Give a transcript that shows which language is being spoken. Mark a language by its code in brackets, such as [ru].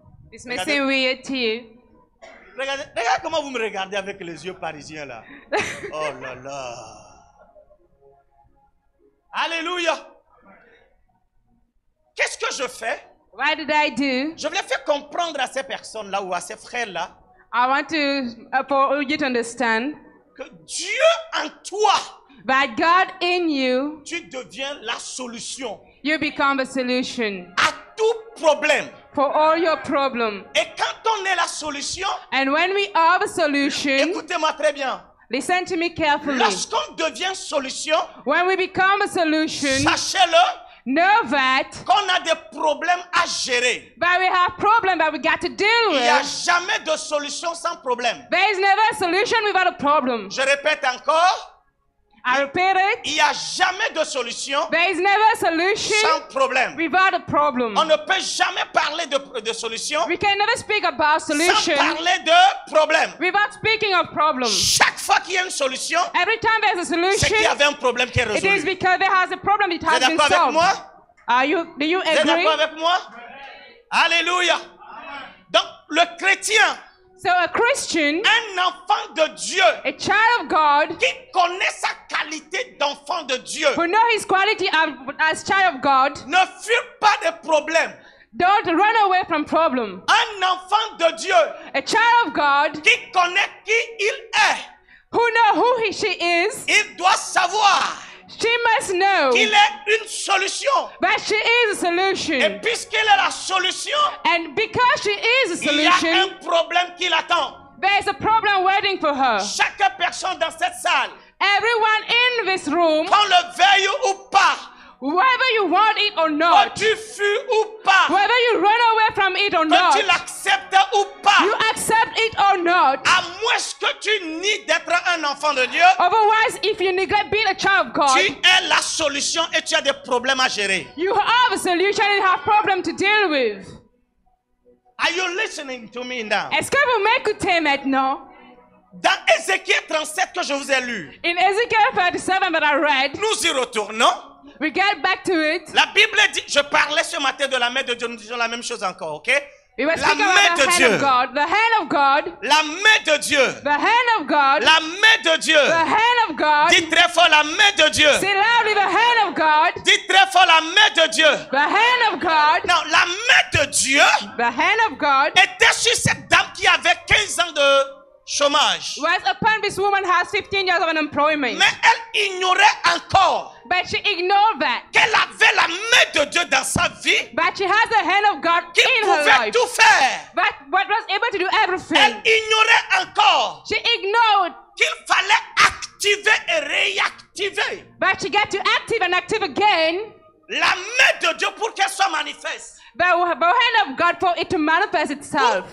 [en] This may seem weird to you. [fr] Regardez comment vous me regardez avec les yeux parisiens là. Oh là là. Alléluia. Qu'est-ce que je fais? [en] What did I do? [fr] Je voulais faire comprendre à ces personnes là ou à ces frères là. [en] I want to for you to understand. [fr] Que Dieu en toi. [en] By God in you. [fr] Tu deviens la solution. [en] You become a solution. [fr] À tout problème. [en] For all your problems. [fr] Et quand on est la solution. [en] And when we are the solution. [fr] Écoutez-moi très bien. [en] Listen to me carefully. [fr] Lorsqu'on devient solution. [en] When we become a solution. [fr] Sachez-le. [en] Know that. [fr] Qu'on a des problèmes à gérer. [en] That we have problems that we got to deal with. [fr] Il n'y a jamais de solution sans problème. [en] There is never a solution without a problem. [fr] Je répète encore. [en] I repeat it. [fr] Il n'y a jamais de solution. [en] There is never a solution [fr] sans problème. [en] Without a problem. [fr] On ne peut jamais parler de solution. [en] We can never speak about solution. [fr] Sans parler de problème. [en] Without speaking of problem. [fr] Chaque fois qu'il y a une solution. [en] Every time there's a solution. [fr] C'est qu'il y avait un problème qui est résolu. [en] It is because there has a problem it has been solved. [fr] Avec moi? [en] Do you agree? [fr] Vous êtes d'accord avec moi? Alléluia. Donc le chrétien. [en] So a Christian, [fr] un enfant de Dieu, [en] a child of God, [fr] qui connaît sa qualité d'enfant de Dieu, [en] who knows his quality as child of God, [fr] ne fuit pas des problèmes. [en] Don't run away from problems. [fr] Un enfant de Dieu, [en] a child of God, [fr] qui connaît qui il est, [en] who know who she is, [fr] il doit savoir. [en] She must know [fr] qu'il est une solution. [en] That she is a solution. [fr] Et puisqu'elle est la solution, [en] and because she is a solution, [fr] il y a un problème qui l'attend. [en] There is a problem waiting for her. [fr] Chaque personne dans cette salle, [en] everyone in this room, [fr] quand le veille ou pas, [en] whether you want it or not, [fr] quand tu fuis ou pas, [en] whether you run away from it or not, [fr] tu l'acceptes ou pas, [en] you accept it or not, [fr] à moins que tu nies d'être un enfant de Dieu, [en] otherwise if you neglect being a child of God, [fr] tu es la solution et tu as des problèmes à gérer. [en] You have a solution and have problems to deal with. Are you listening to me now? [fr] Est-ce que vous m'écoutez maintenant? Dans Ézéchiel 37 que je vous ai lu. [en] In Ezekiel 37 that I read. [fr] Nous y retournons. [en] We get back to it. [fr] La Bible dit, je parlais ce matin de la main de Dieu, nous disons la même chose encore, ok? [en] We were speaking about the hand of God. The hand of God. [fr] La main de Dieu. [en] The hand of God. [fr] La main de Dieu. [en] The hand of God. [fr] Dis très fort la main de Dieu. [en] Say loudly the hand of God. [fr] Dis très fort la main de Dieu. [en] The hand of God. [fr] Non, la main de Dieu. [en] The hand of God. [fr] Était sur cette dame qui avait 15 ans de chômage. [en] Was upon this woman has 15 years of unemployment. [fr] Mais elle ignorait encore. [en] But she ignored that. [fr] Qu'elle avait la main de Dieu dans sa vie. [en] But she has the hand of God [fr] qui [en] in her life. [fr] Tout faire. [en] But was able to do everything. [fr] Elle ignorait encore. [en] She ignored. [fr] Qu'il fallait activer et réactiver. [en] But she got to active and active again. [fr] La main de Dieu pour qu'elle soit manifeste. [en] The hand of God for it to manifest itself.